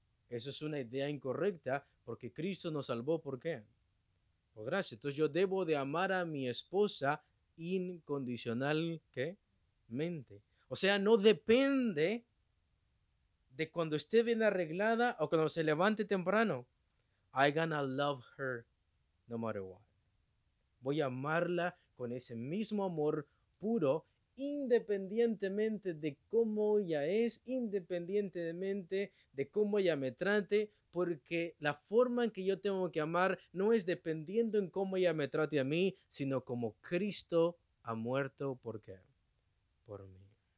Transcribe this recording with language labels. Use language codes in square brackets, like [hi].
[es] Eso es una idea incorrecta, porque Cristo nos salvó, ¿por qué? Por gracia. Entonces yo debo de amar a mi esposa incondicional, ¿qué? Mente. O sea, no depende de cuando esté bien arreglada o cuando se levante temprano. [en] I'm gonna love her no matter what. [es] Voy a amarla con ese mismo amor puro, independientemente de cómo ella es, independientemente de cómo ella me trate, porque la forma en que yo tengo que amar no es dependiendo en cómo ella me trate a mí, sino como Cristo ha muerto, ¿por qué? Por mí.